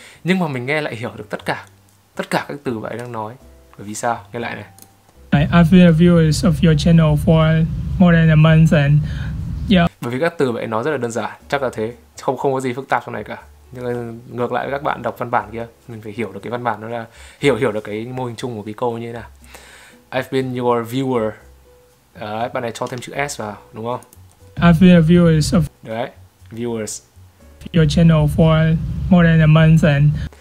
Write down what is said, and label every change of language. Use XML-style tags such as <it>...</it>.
<vi>Nhưng mà mình nghe lại hiểu được tất cả các từ bạn đang nói. Bởi vì sao? Nghe lại này.</vi> <en>I've been a viewer of your channel for more than a month and yeah.</en> <vi>Bởi vì các từ bạn nói rất là đơn giản, chắc là thế. Không có gì phức tạp trong này cả. Nhưng ngược lại với các bạn đọc văn bản kia, mình phải hiểu được cái văn bản đó là hiểu được cái mô hình chung của cái câu như thế nào.</vi> <en>I've been your viewer.</en> <vi>Đấy, bạn này cho thêm chữ S vào, đúng không?</vi> <en>I've been a viewer of.</en> <vi>Đấy, viewers.</vi> <en>Your channel for more than a month and.</en>